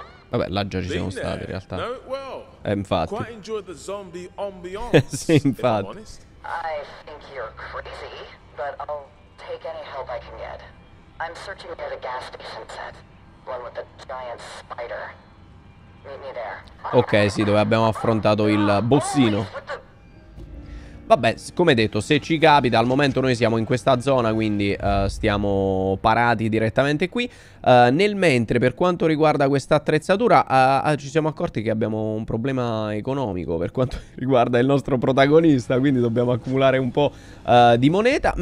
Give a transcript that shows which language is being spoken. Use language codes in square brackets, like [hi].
[it] Vabbè, là già ci siamo stati in realtà. Infatti. [en] Quite enjoy the zombie ambiance. [it] Sì, infatti. [en] I think you're crazy, but I'll take any help I can get. I'm searching near the gas station set, one with the giant spider. Meet me there. [it] Ok, sì, dove abbiamo affrontato il bossino. Vabbè, come detto, se ci capita, al momento noi siamo in questa zona, quindi stiamo parati direttamente qui. Nel mentre, per quanto riguarda questa attrezzatura, ci siamo accorti che abbiamo un problema economico per quanto riguarda il nostro protagonista, quindi dobbiamo accumulare un po' di moneta.